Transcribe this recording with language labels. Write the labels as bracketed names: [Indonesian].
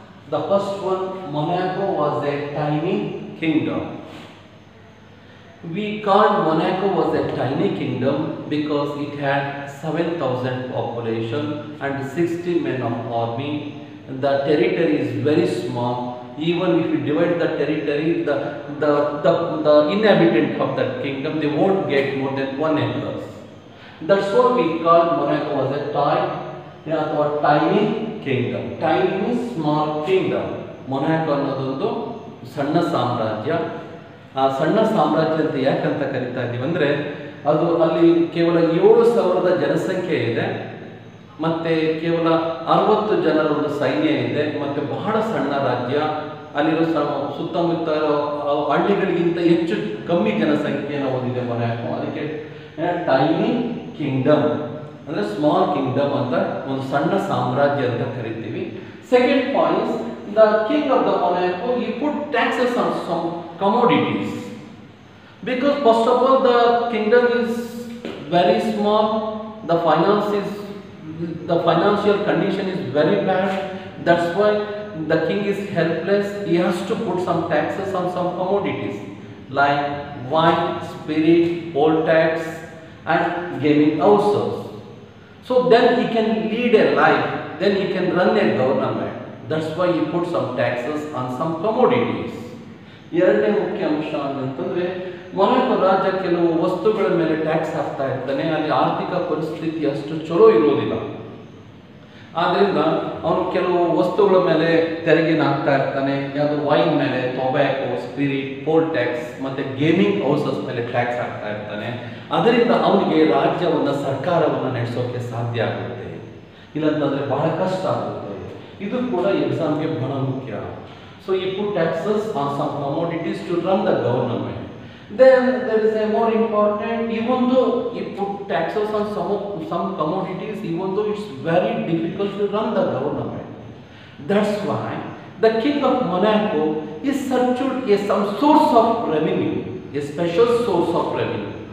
[English] The first one, Monaco was a tiny kingdom. We called Monaco was a tiny kingdom because it had 7,000 population and 60 men of army. The territory is very small. Even if you divide the territory, the inhabitant of that kingdom, they won't get more than 1 acres. That's why we call Monaco as a tiny kingdom. Tiny is small kingdom. [Kannada] Monaco ಅನ್ನೋದೊಂದು ಸಣ್ಣ ಸಾಮ್ರಾಜ್ಯ. ಆ ಸಣ್ಣ ಸಾಮ್ರಾಜ್ಯ ಅಂತ ಯಾಕಂತ ಕರೀತಾ ಇದ್ದೀವಿ ಅಂದರೆ ಅದು ಅಲ್ಲಿ ಕೇವಲ 7,000 ಜನಸಂಖ್ಯೆ ಇದೆ, ಮತ್ತೆ ಕೇವಲ 60 ಜನರ ಒಂದು ಸೈನ್ಯ ಇದೆ, ಮತ್ತೆ ಬಹಳ ಸಣ್ಣ ರಾಜ್ಯ. ಅಲ್ಲಿರೋ ಸುತ್ತಮುತ್ತ ಹಳ್ಳಿಗಳಿಗಿಂತ ಹೆಚ್ಚು ಕಮ್ಮಿ ಜನಸಂಖ್ಯೆಯನ್ನು ಹೊಂದಿದೆ ಮೊನಾಕೋ. ಅದಕ್ಕೆ ಟೈನಿ ಕಿಂಗ್ಡಮ್ ಅಂದರೆ ಸ್ಮಾಲ್ ಕಿಂಗ್ಡಮ್ ಅಂತ, ಒಂದು ಸಣ್ಣ ಸಾಮ್ರಾಜ್ಯ ಅಂತ ಕರಿತೀವಿ. [English] Second points, the king of the Monaco he put taxes on some commodities because first of all the kingdom is very small, the finance is the financial condition is very bad. That's why the king is helpless. He has to put some taxes on some commodities like wine, spirit, poll tax and gaming houses, so then he can lead a life, then he can run a government. That's why he put some taxes on some commodities. [Kannada] ಎರಡನೇ ಮುಖ್ಯ ಅಂಶ ಅಂತಂದ್ರೆ, Monaco ರಾಜ ಕೆಲವು ವಸ್ತುಗಳ ಮೇಲೆ tax ಹಾಕ್ತಾ ಇರ್ತಾನೆ. ಅಲ್ಲಿ ಆರ್ಥಿಕ ಪರಿಸ್ಥಿತಿ ಅಷ್ಟು ಚಲೋ ಇರೋದಿಲ್ಲ, ಆದ್ದರಿಂದ ಅವನು ಕೆಲವು ವಸ್ತುಗಳ ಮೇಲೆ ತೆರಿಗೆನ ಹಾಕ್ತಾ ಇರ್ತಾನೆ. ಯಾವುದು ವೈನ್ ಮೇಲೆ, ಟೊಬ್ಯಾಕೋ, ಸ್ಪಿರಿಟ್, ಪೋಲ್ ಟ್ಯಾಕ್ಸ್, ಮತ್ತು ಗೇಮಿಂಗ್ ಹೌಸಸ್ ಮೇಲೆ ಟ್ಯಾಕ್ಸ್ ಹಾಕ್ತಾ ಇರ್ತಾನೆ. ಅದರಿಂದ ಅವನಿಗೆ ರಾಜ್ಯವನ್ನು, ಸರ್ಕಾರವನ್ನು ನಡೆಸೋಕ್ಕೆ ಸಾಧ್ಯ ಆಗುತ್ತೆ, ಇಲ್ಲಂತಂದರೆ ಬಹಳ ಕಷ್ಟ ಆಗುತ್ತೆ. ಇದು ಕೂಡ ಎಕ್ಸಾಮ್ಗೆ ಬಹಳ ಮುಖ್ಯ. [English] So he put taxes on some commodities to run the government. Then there is a more important, even though you put taxes on some commodities, even though it's very difficult to run the government. That's why the king of Monaco is searched a some source of revenue, a special source of revenue.